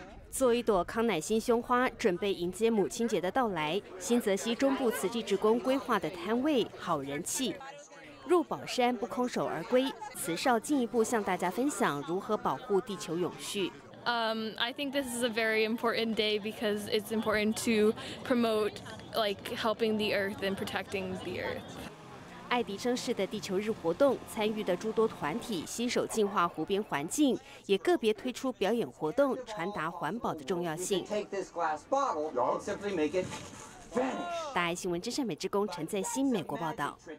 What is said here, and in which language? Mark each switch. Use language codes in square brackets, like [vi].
[zh] 做一朵康乃馨胸花，准备迎接母亲节的到来。新泽西中部慈济志工规划的摊位好人气，入宝山不空手而归。慈少进一步向大家分享如何保护地球永续。 [en] I think this is a very important day because it's important to promote like helping the earth and protecting the earth. [zh] 爱迪生市的地球日活动，参与的诸多团体携手净化湖边环境，也个别推出表演活动，传达环保的重要性。大爱新闻真善美志工陈在新美国报道。